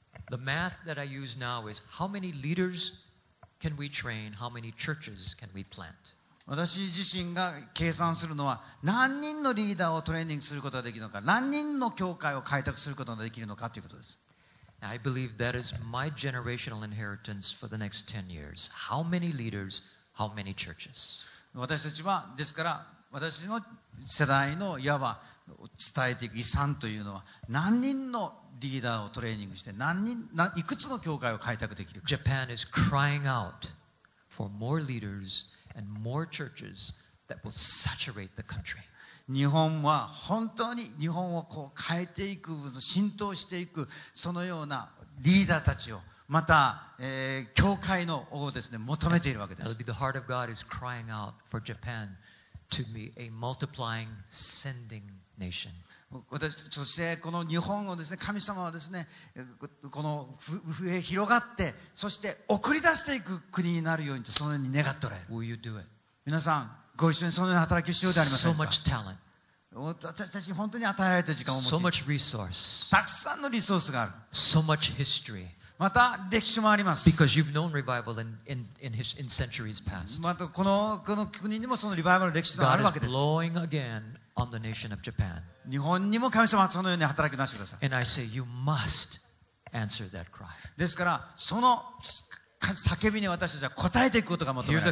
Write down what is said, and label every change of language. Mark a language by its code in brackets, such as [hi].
[en] The math that I use now is how many leaders can we train? How many churches can we plant? [ja] 私自身が計算するのは何人のリーダーをトレーニングすることができるのか、何人の教会を開拓することができるのかということです。 [en] I believe that is my generational inheritance for the next 10 years. How many leaders, how many churches? [ja] 私たちはですから、私の世代のいわば伝えていく遺産というのは何人のリーダーをトレーニングして何人、いくつの教会を開拓できるか。 [en] Japan is crying out for more leaders and more churches that will saturate the country. [ja] 日本は本当に日本をこう変えていく、浸透していく、そのようなリーダーたちを、また、教会のをですね、求めているわけです。 [en] That'll be the heart of God is crying out for Japan to be a multiplying sending nation. [ja] そしてこの日本をですね、神様はですね、この上へ広がって、そして送り出していく国になるようにと、そのように願っておられる。 [en] Will you do it? [ja] 皆さん、ご一緒にそのような働きをしようではありませんか。 [en] So much talent. [ja] 私たち本当に与えられた時間を持ち、 [en] So much resource. [ja] たくさんのリソースがある。 [en] So much history. [ja] また歴史もあります。 [en] Because you've known revival in centuries past. [ja] またこの国にもそのリバイバルの歴史があるわけです。 [en] God is blowing again on the nation of Japan. [ja] 日本にも神様はそのように働きなしてください。 [en] And I say you must answer that cry. [ja] ですからその叫びに私たちは応えていくことが求められ